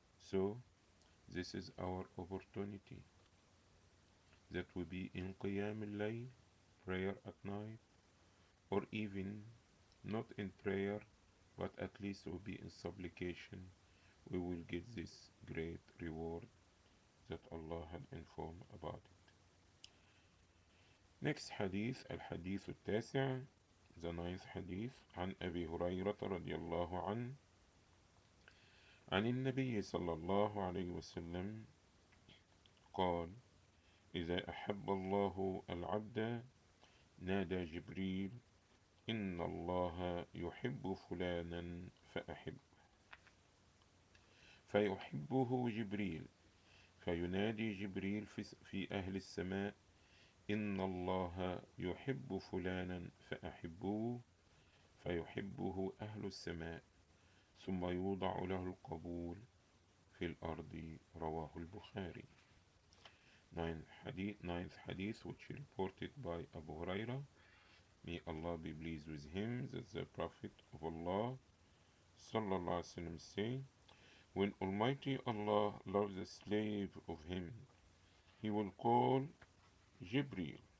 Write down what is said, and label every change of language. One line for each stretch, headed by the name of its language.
English: So this is our opportunity, that we be in Qiyam al-Layl, prayer at night, or even not in prayer, but at least will be in supplication, we will get this great reward that Allah had informed about it.
Arabic: Next hadith, al-hadith al-tasi', the ninth hadith, عن أبي هريرة رضي الله عنه عن النبي صلى الله عليه وسلم قال إذا أحب الله العبد نادى جبريل إن الله يحب فلانا فأحبه فيحبه جبريل فينادي جبريل في أهل السماء إن الله يحب فلانا فأحبه فيحبه أهل السماء ثم يوضع له القبول في الأرض رواه البخاري ninth hadith which reported by Abu Huraira.
English: May Allah be pleased with him, that the Prophet of Allah sallallahu alaihi wasallam say, when Almighty Allah loves a slave of him, he will call Jibreel.